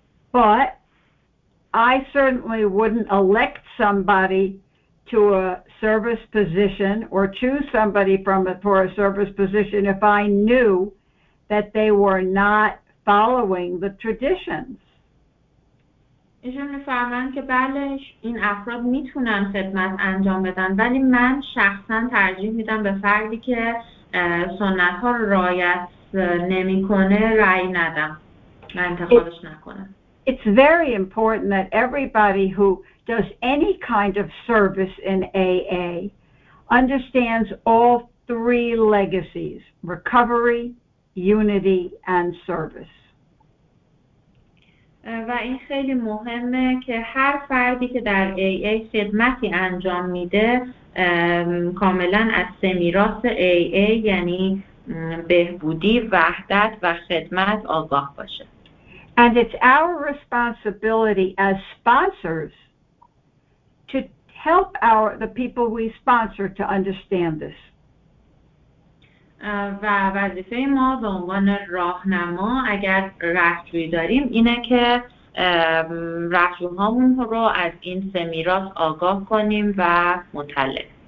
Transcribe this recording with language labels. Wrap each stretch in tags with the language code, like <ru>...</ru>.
<en>But I certainly wouldn't elect somebody to a service position or choose somebody for a service position if I knew that they were not following the traditions.</en> <fa>ایشون میفرمان که بله، این افراد میتونن خدمت انجام بدن، ولی من شخصا ترجیح میدم به فردی که سنت ها رو رعایت نمی کنه رأی ندم، من انتخابش نکنم.</fa> <en>It's very important that everybody who does any kind of service in AA understands all three legacies: recovery, unity, and service.</en> <fa>و این خیلی مهمه که هر فردی که در AA خدمتی انجام میده کاملا از سه میراث AA یعنی بهبودی، وحدت و خدمت آگاه باشه.</fa> <en>And it's our responsibility as sponsors to help the people we sponsor to understand this.</en> <fa>و وظیفه ما به عنوان راهنما اگر رهجویی داریم اینه که رفتوهامون رو از این سه میراث آگاه کنیم و مطلع.</fa>